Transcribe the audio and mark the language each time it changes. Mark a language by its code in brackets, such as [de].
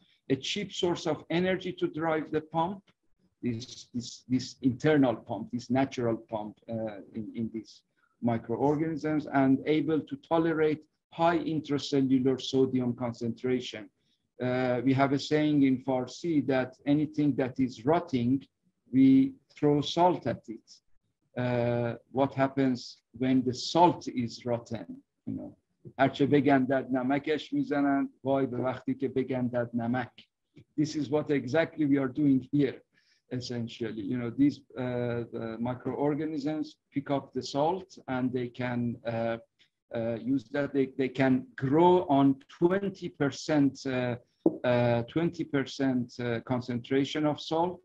[en] A cheap source of energy to drive the pump. This internal pump, this natural pump in these microorganisms, and able to tolerate high intracellular sodium concentration. We have a saying in Farsi that anything that is rotting, we throw salt at it. What happens when the salt is rotten? You know, [fa] هرچه بگندد نمکش میزنند وای به وقتی که بگندد نمک. [en] This is what exactly we are doing here. Essentially, you know, these the microorganisms pick up the salt and they can use that. They can grow on 20% concentration of salt.